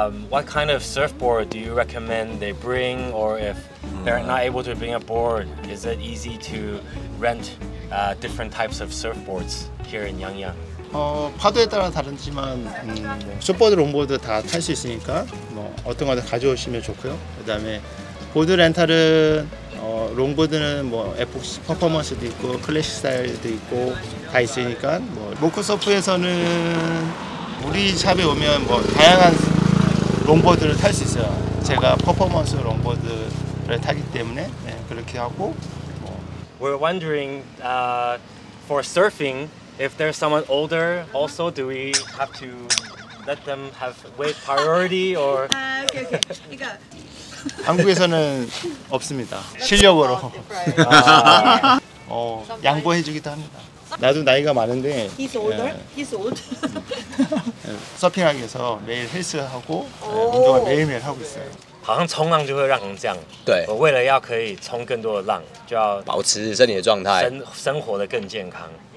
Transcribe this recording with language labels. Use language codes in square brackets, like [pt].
[en] What kind of surfboard do you recommend they bring, or if they're not able to bring a board, is it easy to rent different types of surfboards here in Yangyang? [ko] 파도에 따라 다르지만 서포드, 롱보드 다 탈 수 있으니까 뭐 어떤 거든 가져오시면 좋고요. 그다음에 보드 렌탈은 롱보드는 뭐 에포시 퍼포먼스도 있고 클래식 스타일도 있고 다 있으니까 뭐 모크서프에서는 우리 샵에 오면 뭐 다양한 롱보드를 탈 수 있어요. 제가 퍼포먼스 롱보드를 타기 때문에 네, 그렇게 하고 뭐. [en] We're wondering for surfing. If there's someone older, also, do we have to let them have weight priority or? [ko] 아, 오케이 오케이. 그러니까 한국에서는 없습니다. 실력으로. 양보해주기도 합니다. 나도 나이가 많은데. [en] He's older. He's old. [ko] 서핑하기 위해서 매일 헬스하고 운동을 매일매일 하고 있어요. [zh] 好像冲浪就会让人这样。对。我为了要可以冲更多的浪，就要保持身体的状态，生活的更健康。